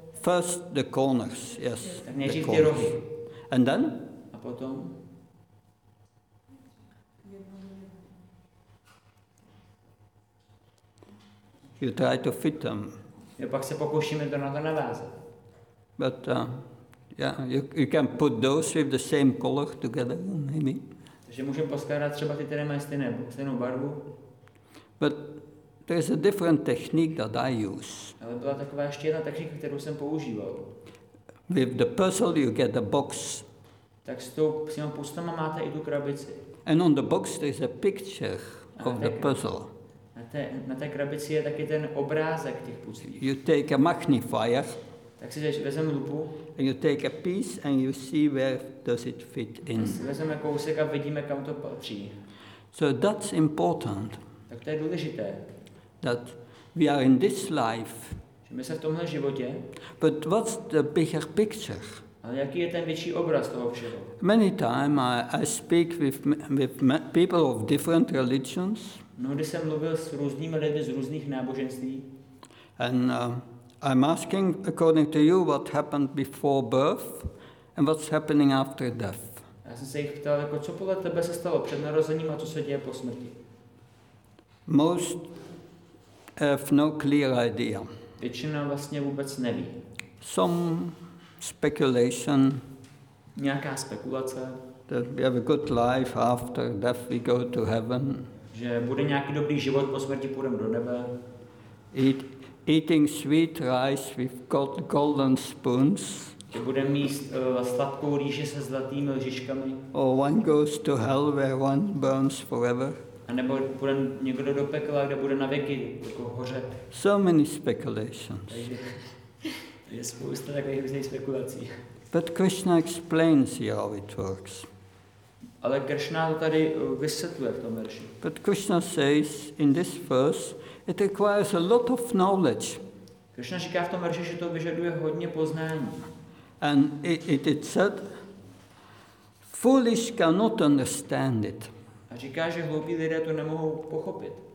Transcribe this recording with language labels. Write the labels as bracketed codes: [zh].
[en] First the corners, yes. [cs] Tak nejdřív ty rohy. [en] And then? [cs] A potom? [en] You try to fit them. [cs] Jo, pak se pokoušíme to na to navázat. [en] But you can put those with the same color together, maybe. [cs] Takže můžeme poskládat třeba ty, které mají stejnou barvu. [en] But there is a different technique that I use. [cs] Ale byla taková ještě jedna technika, kterou jsem používal. [en] With the parcel you get a box. [cs] Tak s tou přímo postama máte i tu krabici. [en] And on the box there is a picture of the puzzle. [cs] Na té krabici je taky ten obrázek těch puzzlí. [en] You take a magnifier. [cs] Tak si vezmeme lupu. [en] And you take a piece and you see where does it fit in. [cs] Vezmeme kousek a vidíme, kam to patří. [en] So that's important. [cs] Tak to je důležité. [en] That we are in this life. [cs] Že my jsme v tomhle životě. [en] But what's the bigger picture? [cs] Ale jaký je ten větší obraz toho všeho? [en] Many times I speak with people of different religions. [cs] Mnohdy jsem mluvil s různými lidmi z různých náboženství. [en] And I'm asking according to you what happened before birth and what's happening after death. [cs] Já jsem se jich ptal, jako co podle tebe se stalo před narozením a co se děje po smrti. [en] Most have no clear idea. [cs] Většina vlastně vůbec neví. [en] Some speculation. [cs] Nějaká spekulace. [en] That we have a good life after death, we go to heaven. [cs] Že bude nějaký dobrý život po smrti, půjdeme do nebe. [en] Eating sweet rice with golden spoons. [cs] Že budeme jíst sladkou rýži se zlatými lžičkami. [en] Or one goes to hell where one burns forever. [cs] A nebo bude někdo do pekla, kde bude na věky jako hořet. [en] So many speculations. [cs] Je spousta takových různých spekulací. [en] But Krishna explains here how it works. [cs] Ale Krishna to tady vysvětluje v tom verši. [en] But Krishna says in this verse, it requires a lot of knowledge. [cs] Krishna říká v tom verši, že to vyžaduje hodně poznání. [en] And it said, foolish cannot understand it. [cs] A říká, že hloupí lidé to nemohou pochopit.